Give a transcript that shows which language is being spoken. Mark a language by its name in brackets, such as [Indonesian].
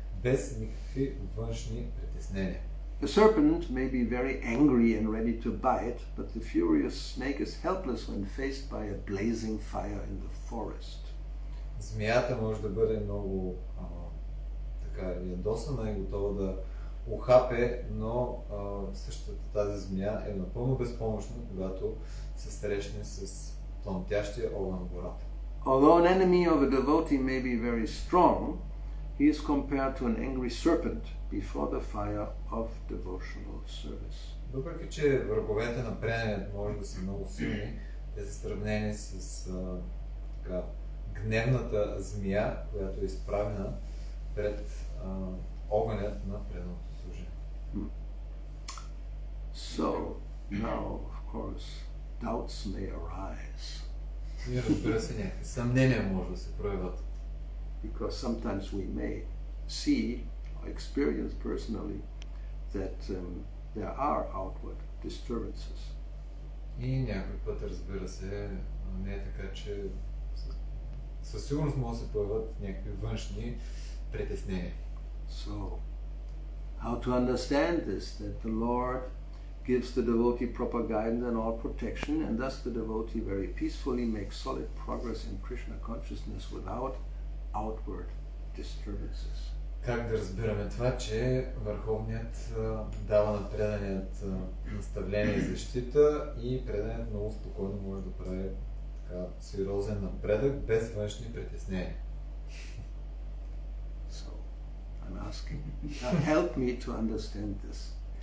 [Bulgarian] Без никакви външни притеснения. [English] A serpent may be very angry and ready to bite, but the furious snake is helpless when faced by a blazing fire in the forest. [Bulgarian] Змията може да бъде много така ядосана и готова да ухапе, но същата тази змия е напълно безпомощна, когато се срещне с тонтящия огън в гората. [English] Although an enemy of a devotee may be very strong, he is compared to an angry serpent before the fire of devotional service. [Bulgarian] Въпреки че враговете на преданията може да са много силни, те са сравнени с гневната змия, която е изправена пред огънят на преданото служение. [English] So, now, of course, doubts may arise. [Bulgarian] И разбира се, някакви съмнения може да се проявят. [English] Because sometimes we may see or experience personally that there are outward disturbances. [Bulgarian] И някой път, разбира се, не е така, че със сигурност може да се появят някакви външни притеснения. [English] So, how to understand this, that the Lord gives the devotee proper guidance and all protection, and thus the devotee very peacefully makes solid progress in Krishna consciousness without outward disturbances. [Bulgarian] Как да разбираме това, че Върховният дава на преданият наставление и защита и преданият много спокойно може да прави така сериозен напредък без външни притеснения. [English] So, I'm asking. Now help me to understand this.